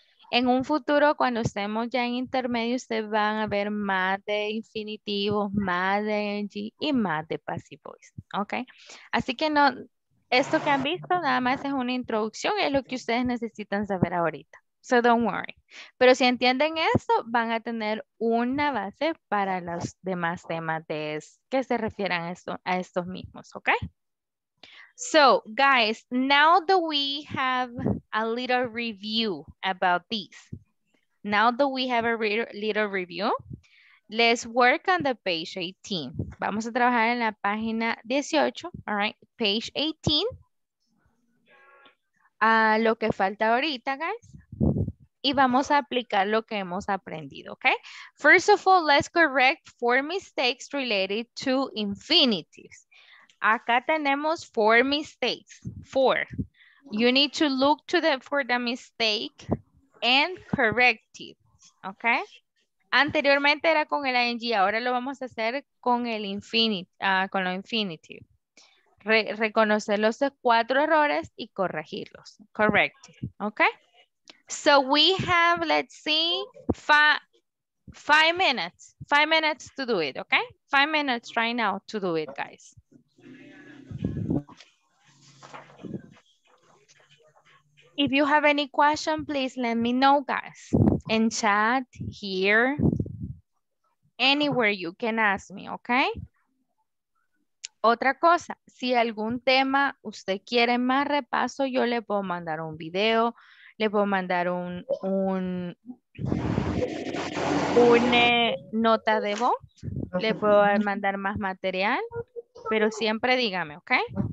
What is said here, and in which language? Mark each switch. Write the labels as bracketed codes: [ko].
[es] En un futuro, cuando estemos ya en intermedio, ustedes van a ver más de infinitivos, más de ing y más de passive voice. ¿Ok? Así que no. Esto que han visto nada más es una introducción y es lo que ustedes necesitan saber ahorita. [en] So don't worry. [es] Pero si entienden esto, van a tener una base para los demás temas de que se refieran a estos mismos, ¿ok? [en] So, guys, now that we have a little review about this, now that we have a little review, let's work on the page 18. [es] Vamos a trabajar en la página 18, all right? [en] Page 18. [es] Lo que falta ahorita, guys. Y vamos a aplicar lo que hemos aprendido, okay? [en] First of all, let's correct 4 mistakes related to infinitives. [es] Acá tenemos 4 mistakes. 4. [en] You need to look to the for the mistake and correct it, okay? [es] Anteriormente era con el ing, ahora lo vamos a hacer con el infinitive, con lo infinitive. Reconocer los cuatro errores y corregirlos. Correct. Okay. [en] So we have, let's see, five minutes. 5 minutes to do it, okay? 5 minutes right now to do it, guys. If you have any question, please let me know, guys. In chat, here, anywhere you can ask me, okay? [es] Otra cosa, si algún tema usted quiere más repaso, yo le puedo mandar un video, le puedo mandar una nota de voz, le puedo mandar más material, pero siempre dígame, okay?